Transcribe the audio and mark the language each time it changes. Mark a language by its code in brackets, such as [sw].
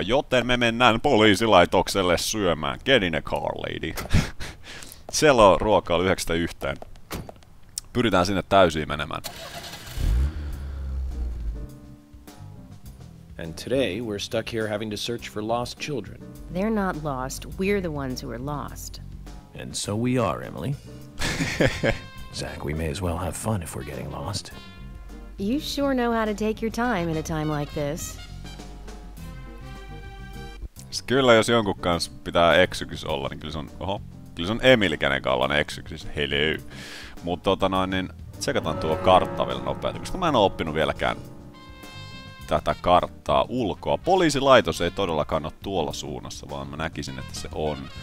[fi] Joten me mennään poliisilaitokselle syömään. [en] Get in a car, lady. [fi] Siellä on ruokaa 9:00. Pyritään sinne täysin menemään. [en] And today we're stuck here having to search for lost children. They're not lost. We're the ones who are lost. And so we are, Emily. Zach, we may as well have fun if we're getting lost. You sure know how to take your time in a time like this. [fi] Kyllä, jos jonkun kanssa pitää eksykys olla, niin kyllä se on... Oho. Kyllä se on Emil, kenen kanssa on eksyksissä, hello. Mutta niin tsekataan tuo kartta vielä nopeasti, koska mä en ole oppinut vieläkään tätä karttaa ulkoa. Poliisilaitos ei todellakaan ole tuolla suunnassa, vaan mä näkisin, että se on.